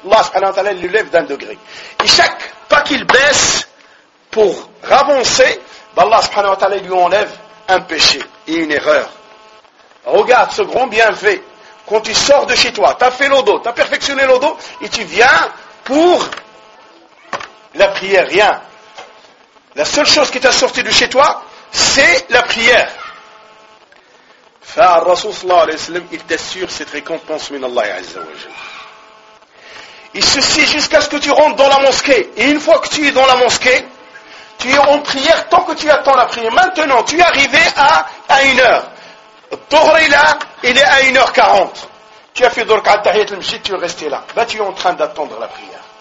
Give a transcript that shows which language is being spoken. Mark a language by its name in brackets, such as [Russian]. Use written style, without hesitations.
[French] Allah subhanahu wa ta'ala l'élève d'un degré. Et chaque pas qu'il baisse pour avancer, ben Allah subhanahu wa ta'ala lui enlève un péché et une erreur. Regarde ce grand bienfait. Quand tu sors de chez toi, tu as fait l'odo, tu as perfectionné l'odo, et tu viens pour la prière, rien. La seule chose qui t'a sorti de chez toi, c'est la prière. [Arabic] فالرسول صلى الله عليه وسلم [French] il t'assure cette récompense [Arabic] من الله عز وجل. [French] Il se sied jusqu'à ce que tu rentres dans la mosquée. Et une fois que tu es dans la mosquée, tu es en prière tant que tu attends la prière. Maintenant, tu es arrivé à une heure. Dhuhr est là, il est à 1h40. Tu as fait donc à Tahiyat al-Masjid, tu es resté là. Là, tu es en train d'attendre la prière.